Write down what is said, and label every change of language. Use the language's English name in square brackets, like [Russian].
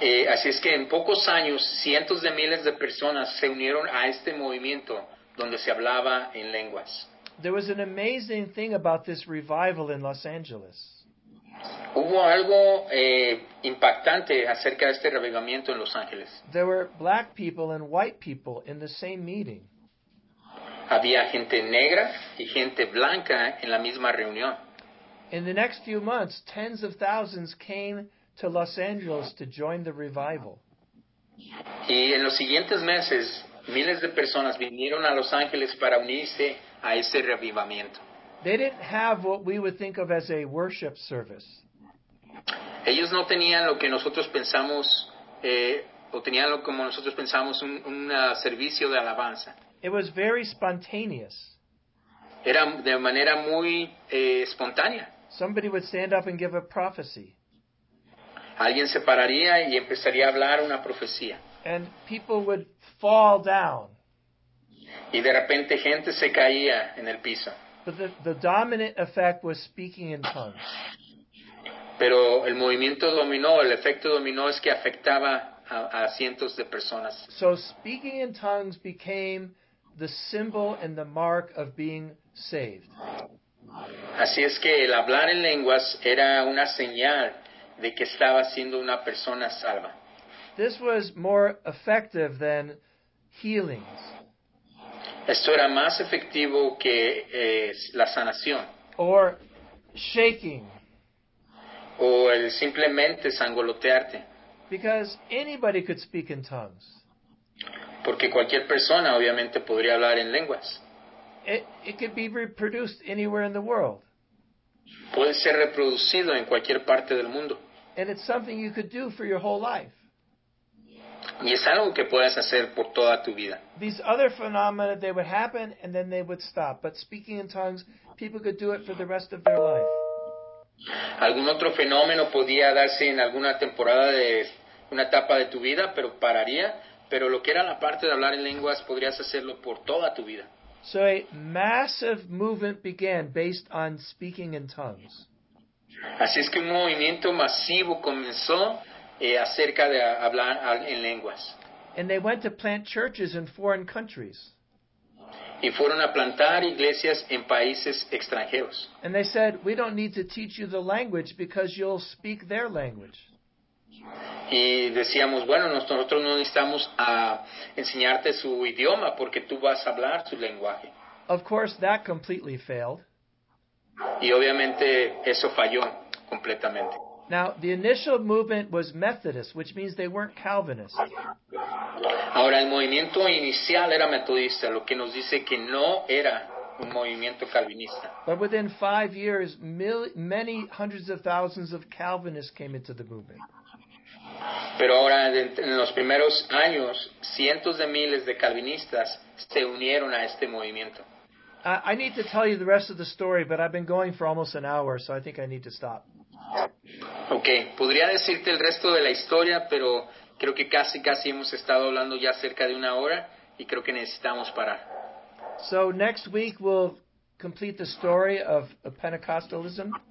[Spanish] Así es que en pocos años, cientos de miles de personas se unieron a este movimiento donde se hablaba en lenguas. [English] There was an amazing thing about this revival in Los Angeles. [Spanish] Hubo algo impactante acerca de este revivamiento en Los Ángeles. [English] There were black people and white people in the same meeting. [Spanish] Había gente negra y gente blanca en la misma reunión. [English] In the next few months, tens of thousands came to Los Angeles to join the revival. [Spanish] Y en los siguientes meses, miles de personas vinieron a Los Ángeles para unirse a ese revivamiento. [English] They didn't have what we would think of as a worship service. [Spanish] Ellos no tenían lo que nosotros pensamos, o tenían como nosotros pensamos un servicio de alabanza. [English] It was very spontaneous. [Spanish] Era de manera muy espontánea. [English] Somebody would stand up and give a prophecy. [Spanish] Alguien se pararía y empezaría a hablar una profecía. [English] And people would fall down. [Spanish] Y de repente gente se caía en el piso. [English] But the dominant effect was speaking in tongues. [Spanish] Pero el movimiento dominó, el efecto dominó es que afectaba a cientos de personas. [English] So speaking in tongues became the symbol and the mark of being saved. [Spanish] Así es que el hablar en lenguas era una señal de que estaba siendo una persona salva. [English] This was more effective than healings. [Spanish] Esto era más efectivo que la sanación. [English] Or shaking. [Spanish] O el simplemente sangolotearte. [English] Because anybody could speak in tongues. [Spanish] Porque cualquier persona obviamente podría hablar en lenguas. [English] It could be reproduced anywhere in the world. [Spanish] Puede ser reproducido en cualquier parte del mundo. [English] And it's something you could do for your whole life. [Spanish] Y es algo que puedes hacer por toda tu vida. [English] These other phenomena, they would happen and then they would stop. But speaking in tongues, people could do it for the rest of their life. [Spanish] Algún otro fenómeno podía darse en alguna temporada de una etapa de tu vida, pero pararía. Pero lo que era la parte de hablar en lenguas, podrías hacerlo por toda tu vida. [English] So a massive movement began based on speaking in tongues. [Spanish] Así es que un movimiento masivo comenzó acerca de hablar en lenguas. [English] And they went to plant churches in foreign countries. [Spanish] Y fueron a plantar iglesias en países extranjeros. [English] And they said, we don't need to teach you the language because you'll speak their language. [Spanish] Y decíamos, bueno, nosotros no necesitamos enseñarte su idioma porque tú vas a hablar su lenguaje. [English] Of course, that completely failed. [Spanish] Y obviamente eso falló completamente. [English] Now, the initial movement was Methodist, which means they weren't Calvinist. [Spanish] Ahora, el movimiento inicial era metodista, lo que nos dice que no era un movimiento calvinista. [English] But within 5 years, many hundreds of thousands of Calvinists came into the movement. [Spanish] Pero ahora, en los primeros años, cientos de miles de calvinistas se unieron a este movimiento. [English] I need to tell you the rest of the story, but I've been going for almost an hour, so I think I need to stop. [Spanish] Okay, podría decirte el resto de la historia, pero creo que casi hemos estado hablando ya cerca de una hora, y creo que necesitamos parar. [English] So next week we'll complete the story of Pentecostalism.